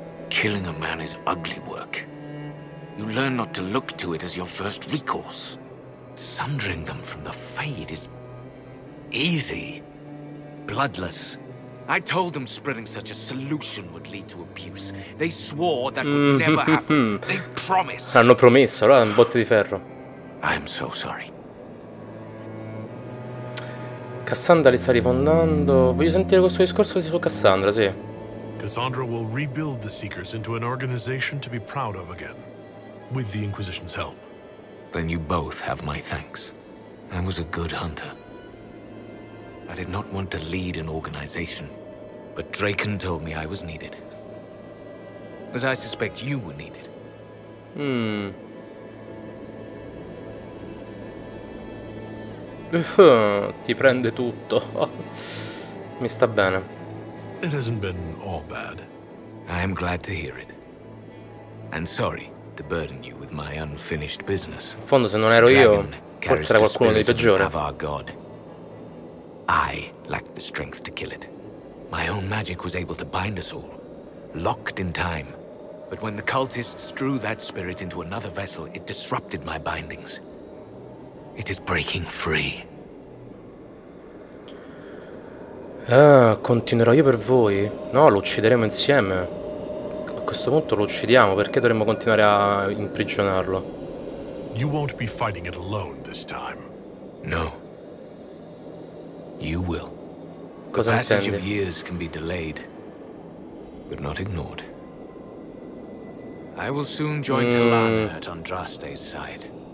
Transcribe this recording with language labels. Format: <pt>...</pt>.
<en>Killing a man is ugly work. You learn not to look to it as your first recourse. Sundering them from the Fade is easy. bloodless. I told them spreading such a solution would lead to abuse. They swore that would never happen. They promised.</en> <it>Hanno promesso, allora un botte di ferro.</it> <en>I'm so sorry.</en> <it>Cassandra li sta rifondando. Voglio sentire questo discorso su Cassandra, sì.</it> <en>Cassandra will rebuild the Seekers into an organization to be proud of again, with the Inquisition's help. Then you both have my thanks. I was a good hunter. I did not want to lead an organization, but Draken told me I was needed. As I suspect you were needed.</en> <it>Ti prende tutto. Mi sta bene.</it> <en>It hasn't been all bad. I am glad to hear it. And sorry to burden you with my unfinished business.</en> <it>In fondo, se non ero io, forse era qualcuno di peggiore.</it> <en>I lacked the strength to kill it. My own magic was able to bind us all, locked in time. But when the cultists drew that spirit into another vessel, it disrupted my bindings. It is breaking free.</en> <it>Ah, continuerò io per voi? No, lo uccideremo insieme. A questo punto lo uccidiamo, perché dovremmo continuare a imprigionarlo?</it> <en>You won't be fighting it alone this time. No. You will.</en> <it>Cosa intendi?</it> <en>The passage of years can be delayed, but not ignored. I will soon join Talana at Andraste's side.</en>